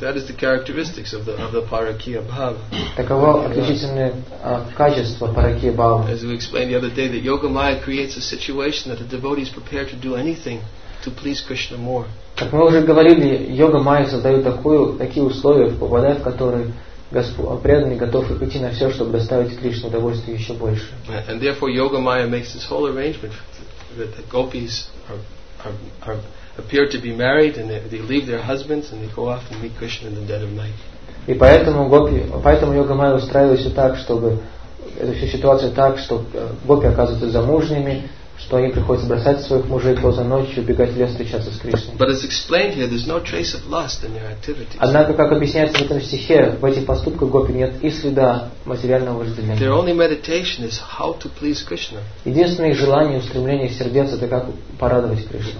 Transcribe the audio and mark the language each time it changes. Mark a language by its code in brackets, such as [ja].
[en] That is the characteristics of the Parakiya Bhava. [ru] Таково отличительное качество Parakiya Bhava. [en] As we explained the other day, that Yoga Maya creates a situation that the devotee is prepared to do anything to please Krishna more. [ru] Как мы уже говорили, Йога Майя создает такие условия, попадая в которые Господь преданный готов идти на все, чтобы доставить Кришне удовольствие еще больше. [en] And therefore Yoga Maya makes this whole arrangement that the gopis are appear to be married and they leave their husbands and they go off and meet Krishna in the dead of night. [ru] И поэтому Йога Майя устраивает все так, чтобы эта вся ситуация так, что гопи оказываются замужними, что им приходится бросать своих мужей поздно ночью, убегать в лес, встречаться с Кришной. [en] But as explained here, there's no trace of lust in their activities. [ru] Однако, как объясняется в этом стихе, в этих поступках гопи нет и следа материального вожделения. [en] Their only meditation is how to please Krishna. [ru] Единственное их желание и устремление сердец это как порадовать Кришну.